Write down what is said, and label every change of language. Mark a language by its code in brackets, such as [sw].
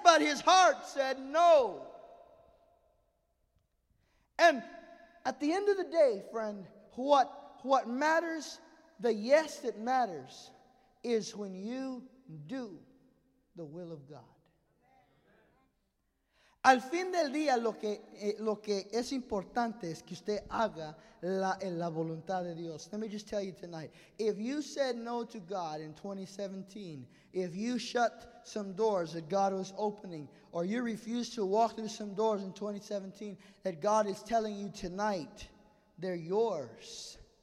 [en] But his heart said, no. And at the end of the day, friend, what matters, the yes that matters, is when you do the will of God. [es] Al fin del día, lo que es importante es que usted haga la voluntad de Dios. [en] Let me just tell you tonight. If you said no to God in 2017, if you shut some doors that God was opening, or you refused to walk through some doors in 2017 that God is telling you tonight, they're yours.